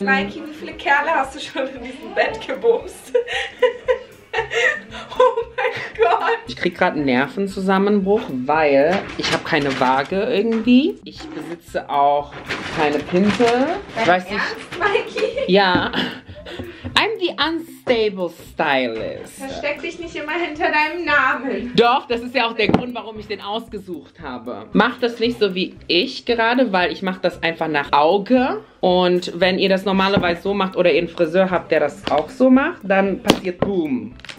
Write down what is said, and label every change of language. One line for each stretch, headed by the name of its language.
German: Mikey, wie viele Kerle hast du schon in diesem Bett gebumst? Oh mein Gott. Ich krieg gerade einen Nervenzusammenbruch, weil ich habe keine Waage irgendwie. Ich besitze auch keine Pinsel. Weißt du, Mikey? Ja.
English: I'm the unstable stylist.
German: Versteck dich nicht immer hinter deinem Namen. Doch, das ist ja auch der Grund, warum ich den ausgesucht habe. Mach das nicht so wie ich gerade, weil ich mache das einfach nach Auge. Und wenn ihr das normalerweise so macht oder ihr einen Friseur habt, der das auch so macht, dann passiert Boom.